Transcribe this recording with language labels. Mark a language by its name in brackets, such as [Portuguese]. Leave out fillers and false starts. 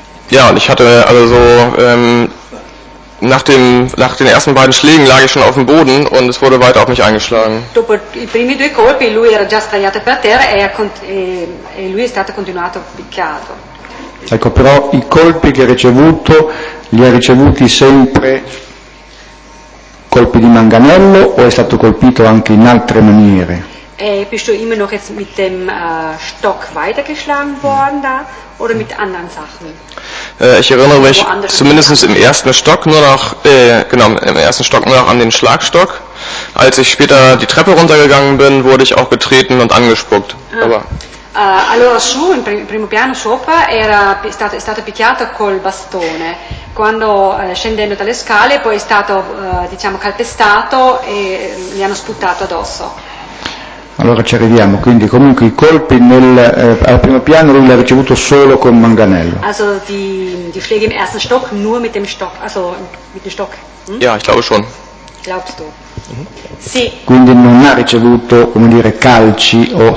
[German] Ja, und ich hatte also nach den ersten beiden Schlägen lag ich schon auf dem Boden und es wurde weiter auf mich eingeschlagen. [Italian] Dopo i primi due colpi lui era già sdraiato per terra e lui è stato continuato picchiato. Ecco, però i colpi che ha ricevuto li ha ricevuti sempre colpi di manganello o è stato colpito anche in altre maniere? [German] Bist du immer noch jetzt mit dem Stock weitergeschlagen worden da oder mit anderen Sachen? Ich erinnere mich zumindest im ersten Stock nur noch im ersten Stock nur noch an den Schlagstock. Als ich später die Treppe runtergegangen bin, wurde ich auch getreten und angespuckt. Ah. Aber [Italian] allora su in primo piano sopra è stato picchiato col bastone. Quando scendendo dalle scale poi è stato diciamo calpestato e gli hanno sputtato addosso. Allora ci arriviamo, quindi comunque i colpi al primo piano lui li ha ricevuto solo con manganello. [German] Also die Schläge im ersten Stock nur mit dem Stock, also mit dem Stock. Ja, ich glaube schon. Glaubst du? Mm-hmm. [Italian] Sì. Quindi non ha ricevuto, come dire, calci o...